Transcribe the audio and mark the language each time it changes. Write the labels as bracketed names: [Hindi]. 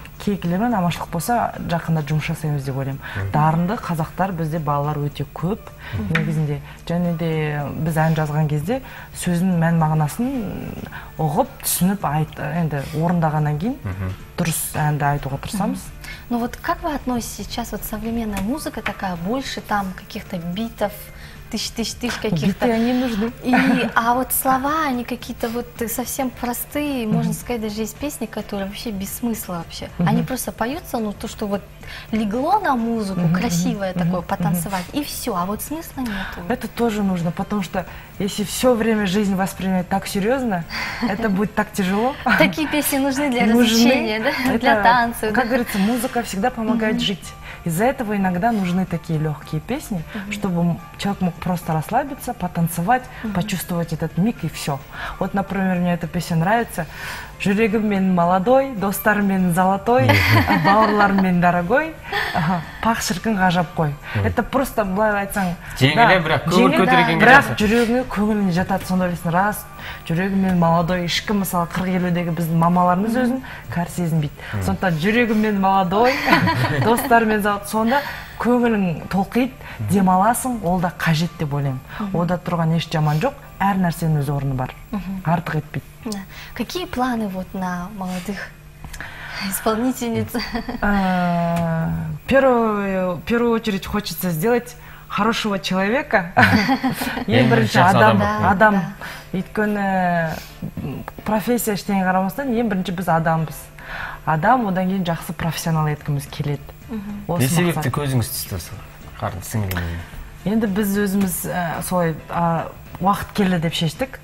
[Kazakh] Кейкілімен амашылық болса, жақында жұмыс жасаймыз деп ойлаймын. Дарынды қазақтар бізде балалар өте көп негізінде. Және де біз ән жазған кезде сөзінің мән мағынасын ұғып, түсініп, орындағаннан кейін дұрыс әнді айтуға тұрсамыз. [Russian] Ну вот как вы относитесь сейчас, вот современная музыка такая, больше там каких-то битов, тысяч каких-то. Биты они нужны. А вот слова, они какие-то вот совсем простые, можно сказать, даже есть песни, которые вообще без смысла вообще. Они просто поются, ну то, что вот легло на музыку, красивое такое, потанцевать, и все, а вот смысла нету. Это тоже нужно, потому что если все время жизнь воспринимать так серьезно, это будет так тяжело. Такие песни нужны для развлечения, да? Для танцев. Как говорится, музыка всегда помогает жить. Из-за этого иногда нужны такие легкие песни, mm-hmm. чтобы человек мог просто расслабиться, потанцевать, mm-hmm. почувствовать этот миг и все. Вот, например, мне эта песня нравится. [Kazakh] Жүрегім мен молодой, достар мен золотой, mm-hmm. бауырлар мен дорогой, пах шіркін ғажап қой. Mm-hmm. [Russian] Это просто, [Kazakh] былай айтсаң... Жеңілі, да, бірақ көңіл көтіреген Бірақ жүрегіне көңілін жатады, сонда білесің, рас. Жүрегім мен молодой, ішкі мысалы 40-50-дегі біздің мамаларымыз өзін кәрі сезінбейді. Mm-hmm. Сонда жүрегім мен молодой, достар мен золотой, сонда көңілің толқиды, mm-hmm. демаласың, ол да қажет деп ойлаймын. Mm-hmm. Ода тұрған еш жаман жоқ. Әр нәрсенің өз орны бар. Mm-hmm. Артық етпейді. Yeah. [Russian] Какие планы вот на молодых исполнительниц? В первую очередь хочется сделать хорошего человека. [Kazakh] Ең бірінші адам. Адам. Өйткені профессия іштеңе қарамастан, ең бірінші біз адамбыз. Адам, одан кейін жақсы профессионал еткіміз келеді. Не себепті көзіңіз түсті осыған? Қарын сіңілген. Енді біз өзіміз солай уақыт келді деп шештік.